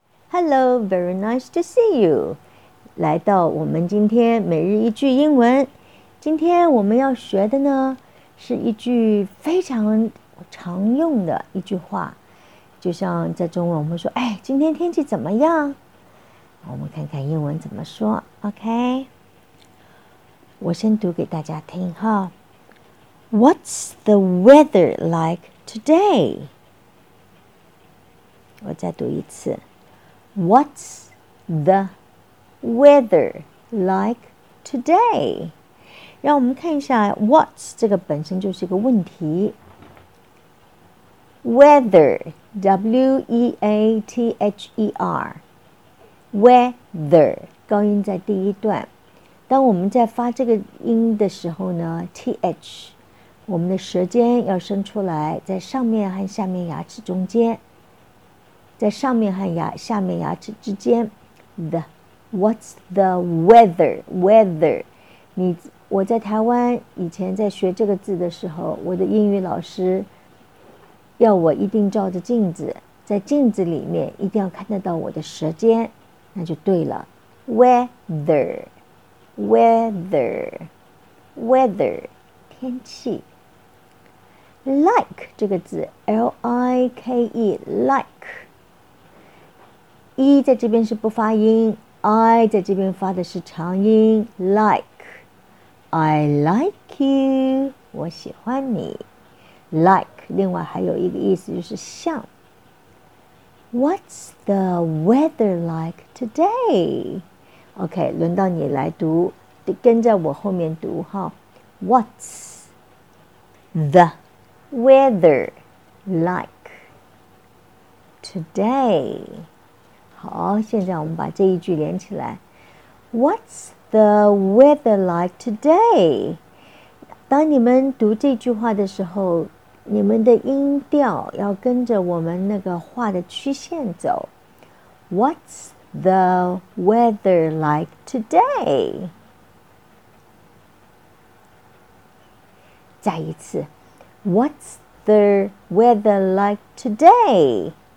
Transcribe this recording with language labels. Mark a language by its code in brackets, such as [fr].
[en] Hello, very nice to see you. [zh] 来到我们今天每日一句英文。今天我们要学的呢，是一句非常常用的一句话。就像在中文我们说，哎，今天天气怎么样？我们看看英文怎么说。 OK， 我先读给大家听哈。 [en] What's the weather like today? [zh] 我再读一次。 [en] What's the weather like today? [zh] 让我们看一下 what's 这个本身就是一个问题。 [en] Weather, W-E-A-T-H-E-R, weather, [zh] 高音在第一段。当我们在发这个音的时候呢 ,th, 我们的舌尖要伸出来，在上面和下面牙齿中间。在上面和牙下面牙齿之间 [en] the what's the weather weather [zh] 你我在台湾以前在学这个字的时候，我的英语老师要我一定照着镜子，在镜子里面一定要看得到我的舌尖，那就对了。 [en] weather weather weather [zh] 天气。 like 这个字 L-I-K-E like E 在这边是不发音 ，I 在这边发的是长音。 [en] Like，I like you， [zh] 我喜欢你。 Like， 另外还有一个意思就是像。 [en] What's the weather like today？ [zh] OK， 轮到你来读，跟在我后面读哈。 [en] What's the weather like today？ [zh] 好，现在我们把这一句连起来。 [en] What's the weather like today? [zh] 当你们读这句话的时候，你们的音调要跟着我们那个话的曲线走。 [en] What's the weather like today? [zh] 再一次。 [en] What's the weather like today?